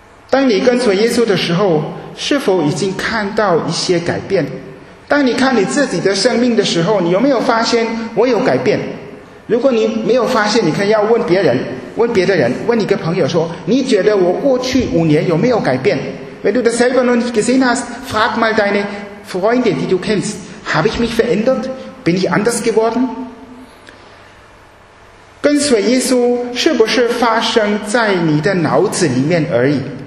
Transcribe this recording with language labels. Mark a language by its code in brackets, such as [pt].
[zh] 当你跟随耶稣的时候，是否已经看到一些改变？当你看你自己的生命的时候，你有没有发现我有改变？如果你没有发现，你可以要问别人，问别的人，问你个朋友说，你觉得我过去五年有没有改变？ [de] Wenn du das selber noch nicht gesehen hast, frag mal deine Freunde, die du kennst, habe ich mich verändert? Bin ich anders geworden? [zh] 跟随耶稣是不是发生在你的脑子里面而已？